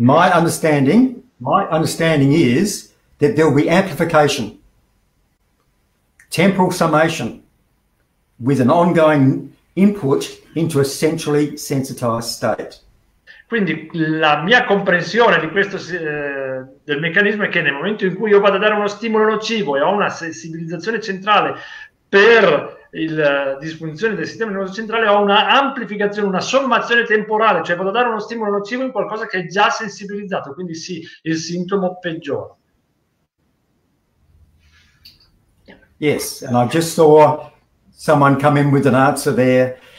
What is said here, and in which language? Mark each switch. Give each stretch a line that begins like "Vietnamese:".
English: My understanding is that there will be amplification, temporal summation, with an ongoing input into a centrally sensitized state.
Italian: Quindi la mia comprensione di questo del meccanismo è che nel momento in cui io vado a dare uno stimolo nocivo e ho una sensibilizzazione centrale per la disfunzione del sistema nervoso centrale, ho una amplificazione, una sommazione temporale, cioè vado a dare uno stimolo nocivo in qualcosa che è già sensibilizzato, quindi sì, il sintomo peggiora.
English: Yes, and I just saw someone come in with an answer there.